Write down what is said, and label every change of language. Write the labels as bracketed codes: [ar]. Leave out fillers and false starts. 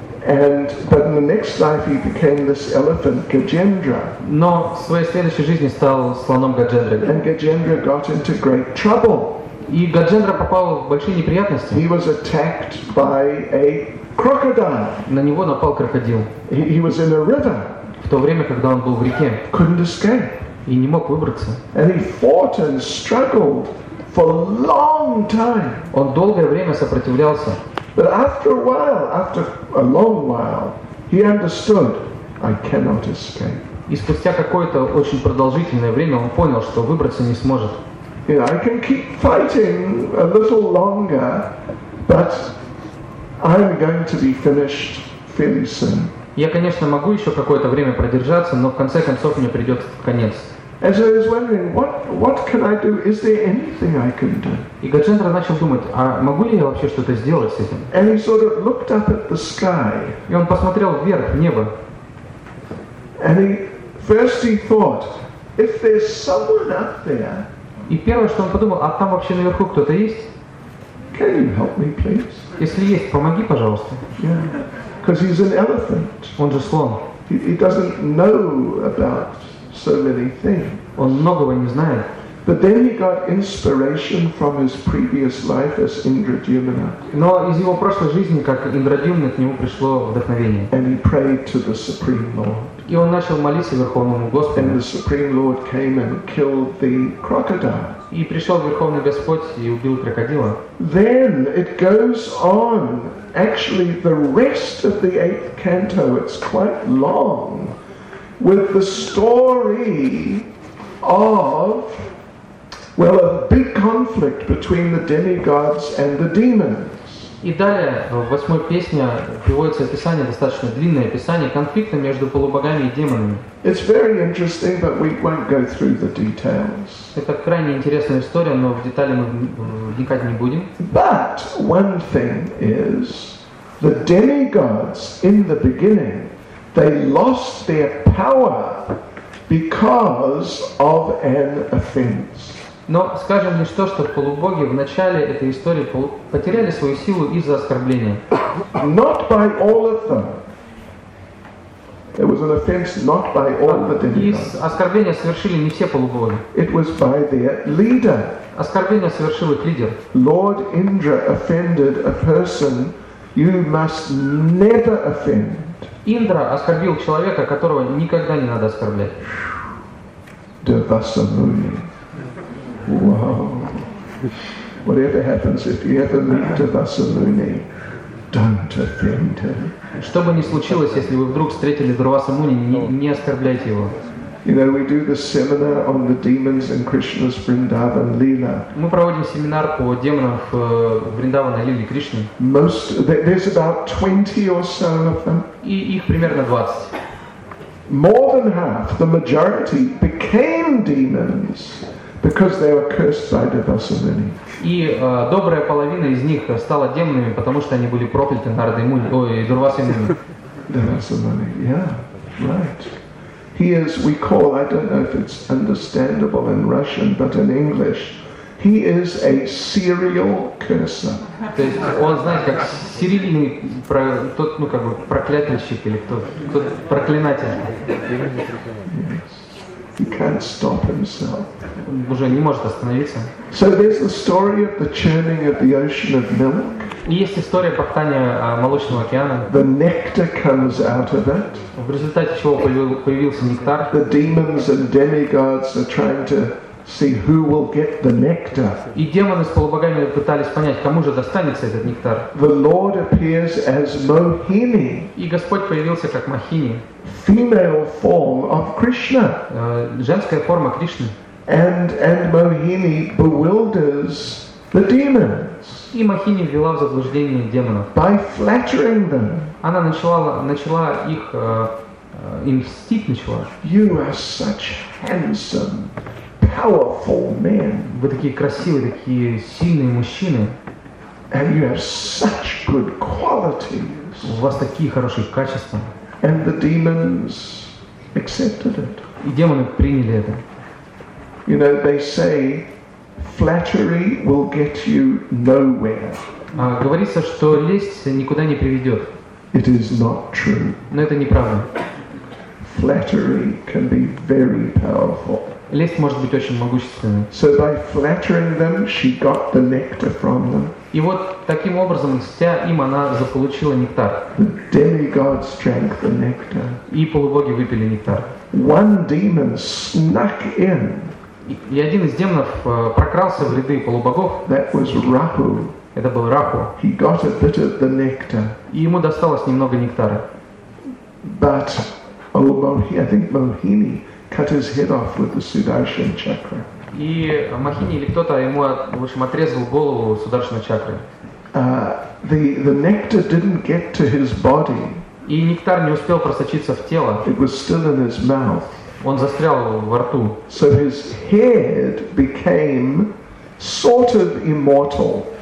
[en] But in the next life he became this elephant Gajendra. [ru] Но в своей следующей жизни стал слоном Гаджендра. [en] And Gajendra got into great trouble. [ru] И Гаджендра попал в большие неприятности. [en] He was attacked by a crocodile. [ru] На него напал крокодил. [en] He was in a river. [ru] В то время, когда он был в реке. [en] Couldn't escape. [ru] И не мог выбраться. [en] And he fought and struggled for a long time. [ru] Он долгое время сопротивлялся. [en] But after a long while, he understood, I cannot escape. [ru] И спустя какое-то очень продолжительное время он понял, что выбраться не сможет. [en] You know, I can keep fighting a little longer, but I'm going to be finished fairly soon. [ru] Я, конечно, могу еще какое-то время продержаться, но в конце концов мне придется конец. [en] And so I was wondering, what can I do? Is there anything I can do? [ru] И Гаджендра начал думать, а могу ли я вообще что-то сделать с этим? [en] And he sort of looked up at the sky. [ru] И он посмотрел вверх, в небо. [en] And he thought, if there's someone up there. [ru] И первое, что он подумал, а там вообще наверху кто-то есть? [en] Can you help me, please? [ru] Если есть, помоги, пожалуйста. [en] Because he's an elephant. [ru] Он же слон. [en] He doesn't know about so many things. [ru] Он многого не знает. [en] But then he got inspiration from his previous life as Indradyumna. [ru] Но из его прошлой жизни как Индрадьюмна к нему пришло вдохновение. [en] And he prayed to the Supreme Lord. [ru] И он начал молиться Верховному Господу. [en] And the Supreme Lord came and killed the crocodile. [ru] И пришел Верховный Господь и убил крокодила. [en] Then it goes on. Actually, the rest of the eighth canto, it's quite long, with the story of, well, a big conflict between the demigods and the demons. [ru] И далее в восьмой песне приводится описание, достаточно длинное описание конфликта между полубогами и демонами. [en] It's very interesting, but we won't go through the details. [ru] Это крайне интересная история, но в детали мы вникать не будем. [en] But one thing is, the demigods in the beginning, they lost their power because of an offense. [ru] Но скажем лишь то, что полубоги в начале этой истории потеряли свою силу из-за оскорбления. [en] Not by all of them. It was an offense not by all the demigods. [ru] Оскорбление совершили не все полубоги. [en] It was by their leader. [ru] Оскорбление совершил их лидер. [en] Lord Indra offended a person you must never offend. [ru] Индра оскорбил человека, которого никогда не надо оскорблять. [en] Девасамуни. Wow. Whatever happens, if you ever meet Devasamuni, don't offend him. [ru] Что бы ни случилось, если вы вдруг встретили Дурвасамуни, не оскорбляйте его. [en] You know, we do the seminar on the demons in Krishna's Vrindavan Leela. [ru] Мы проводим семинар по демонам в Вриндаване Лиле Кришны. [en] Most there's about 20 or so of them. [ru] И их примерно 20. [en] More than half, the majority, became demons. Because they were cursed by Devasamuni. [ru] И добрая половина из них стала демонами, потому что они были прокляты Нарадой и Дурвасамуни. [en] Devasamuni, yeah, right. He is, we call, I don't know if it's understandable in Russian, but in English, he is a serial cursor. [ru] То есть он, знаете, как серийный тот, ну как бы проклятельщик или кто проклинатель. [en] He can't stop himself. [ru] Уже не может остановиться. [en] So there's the story of the churning of the ocean of milk. [ru] Есть история пахтания молочного океана. [en] The nectar comes out of it. [ru] В результате чего появился нектар. [en] The demons and demigods are trying to see who will get the nectar. [ru] И демоны с полубогами пытались понять, кому же достанется этот нектар. [en] The Lord appears as Mohini. [ru] И Господь появился как Махини. [en] Female form of Krishna. [ru] Женская форма Кришны. [en] And Mohini bewilders the demons. [ru] И Махини ввела в заблуждение демонов. [en] By flattering them. [ru] Она начала их им мстить начала. [en] You are such handsome. Powerful men. [ru] Вы такие красивые, такие сильные мужчины. [en] And you have such good qualities. [ru] У вас такие хорошие качества. [en] And the demons accepted it. [ru] И демоны приняли это. [en] You know, they say flattery will get you nowhere. [ru] Говорится, что лесть никуда не приведет. [en] It is not true. [ru] Но это неправда. [en] Flattery can be very powerful. [ru] Лесть может быть очень могущественной. [en] So by flattering them, she got the nectar from them. [ru] И вот таким образом, мстя им, она заполучила нектар. [en] The demigods drank the nectar. [ru] И полубоги выпили нектар. [en] One demon snuck in. [ru] И один из демонов прокрался в ряды полубогов. [en] That was Rahu. [ru] Это был Раху. [en] He got a bit of the nectar. [ru] И ему досталось немного нектара. [en] But, oh, Mohini, I think Mohini cut his head off with the Sudarshan chakra. [ru] И Махини или кто-то ему, в общем, отрезал голову Сударшана чакры. [en] The nectar didn't get to his body. [ru] И нектар не успел просочиться в тело. [en] It was still in his mouth. [ru] Он застрял во рту. [en] So his head became sort of immortal.